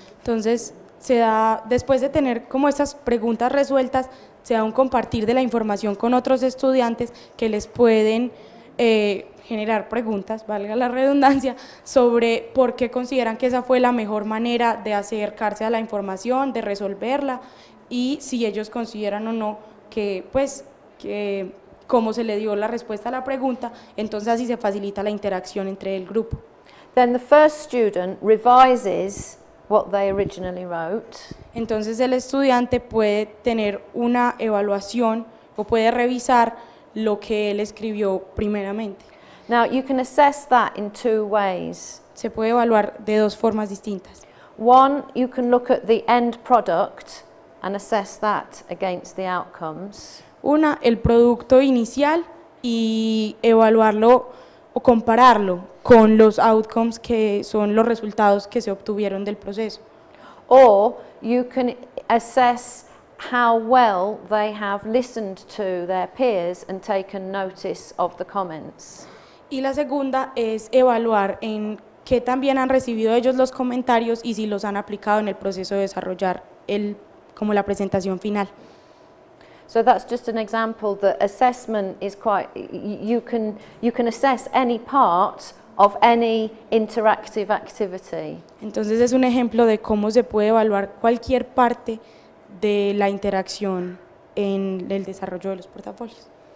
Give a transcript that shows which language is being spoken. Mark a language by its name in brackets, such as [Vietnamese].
[Spanish] Entonces, se da, después de tener como esas preguntas resueltas, se da un compartir de la información con otros estudiantes que les pueden generar preguntas, valga la redundancia, sobre por qué consideran que esa fue la mejor manera de acercarse a la información, de resolverla, y si ellos consideran o no que, pues, que como se le dio la respuesta a la pregunta, entonces así se facilita la interacción entre el grupo. [English] Then the first student revises what they originally wrote. [Spanish] Entonces el estudiante puede tener una evaluación o puede revisar lo que él escribió primeramente. [English] Now you can assess that in two ways. [Spanish] Se puede evaluar de dos formas distintas. [English] One, you can look at the end product and assess that against the outcomes. [Spanish] Una, el producto inicial y evaluarlo o compararlo con los outcomes que son los resultados que se obtuvieron del proceso. [English] Or you can assess how well they have listened to their peers and taken notice of the comments. [Spanish] Y la segunda es evaluar en qué también han recibido ellos los comentarios y si los han aplicado en el proceso de desarrollar el como la presentación final. [English] So that's just an example that assessment is quite, you can assess any part of any interactive activity. [Spanish] Entonces es un ejemplo de cómo se puede evaluar cualquier parte de la interacción en el desarrollo de los portafolios.